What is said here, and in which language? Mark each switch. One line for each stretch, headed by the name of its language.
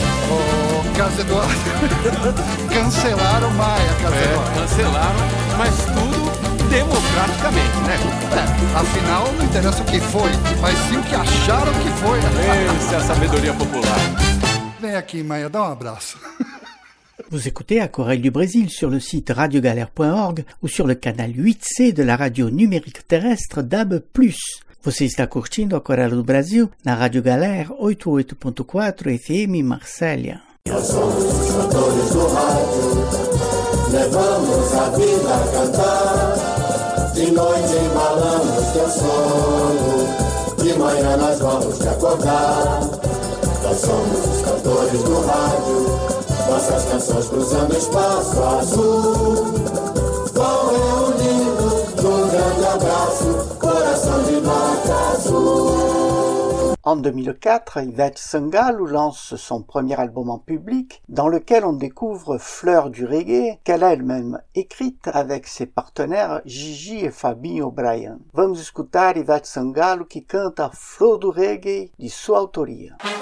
Portuguese: Oh, Casa Eduardo, cancelaram o Maia, Casa Eduardo. É, cancelaram, mas tudo democraticamente, né? É, afinal, não interessa o que foi, mas sim o que acharam que foi. Essa é a sabedoria popular. Vem aqui, Maia, dá um abraço.
French: Vous écoutez Aquarelle du Brésil sur le site radiogalère.org ou sur le canal 8C de la radio numérique terrestre DAB+.
Portuguese: Você está curtindo Aquarelle do Brasil na Rádio Galère 88.4 FM Marsella. Levamos a vida a cantar. De noite embalamos teu sono, de manhã nós vamos te acordar. Nós somos os cantores do rádio, nossas canções cruzando espaço azul. Vão reunindo num grande abraço, coração de vaca azul.
French: En 2004, Ivete Sangalo lance son premier album en public, dans lequel on découvre Fleur du reggae, qu'elle a elle-même écrite avec ses partenaires Gigi et Fabinho O'Brien.
Portuguese: Vamos escutar Ivete Sangalo qui canta Flor do Reggae de sua autoria.